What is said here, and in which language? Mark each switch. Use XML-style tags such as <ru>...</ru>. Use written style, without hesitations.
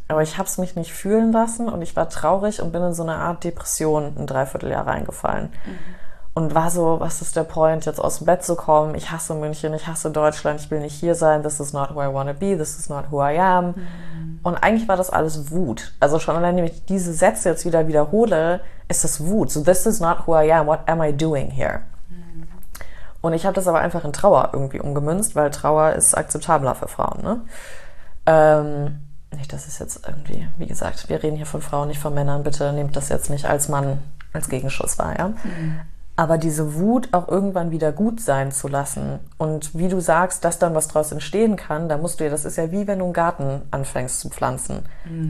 <de>Aber ich habe es mich nicht fühlen lassen und ich war traurig und bin in so eine Art Depression ein Dreivierteljahr reingefallen. Mhm. und war so, was ist der Point, jetzt aus dem Bett zu kommen? Ich hasse München, ich hasse Deutschland, ich will nicht hier sein,</de> <en>this is not who I want to be, this is not who I am.</en> <de>Mhm. Und eigentlich war das alles Wut. Also schon allein, wenn ich diese Sätze jetzt wieder wiederhole, ist das Wut.</de> <en>So, this is not who I am, what am I doing here?</en> <de>Und ich habe das aber einfach in Trauer irgendwie umgemünzt, weil Trauer ist akzeptabler für Frauen, ne? Nicht, das ist jetzt irgendwie, wie gesagt, wir reden hier von Frauen, nicht von Männern. Bitte nehmt das jetzt nicht als Mann, als Gegenschuss wahr, ja? Mhm. Aber diese Wut auch irgendwann wieder gut sein zu lassen und wie du sagst, dass dann was draus entstehen kann, da musst du ja, das ist ja wie wenn du einen Garten anfängst zu pflanzen. Mhm.</de>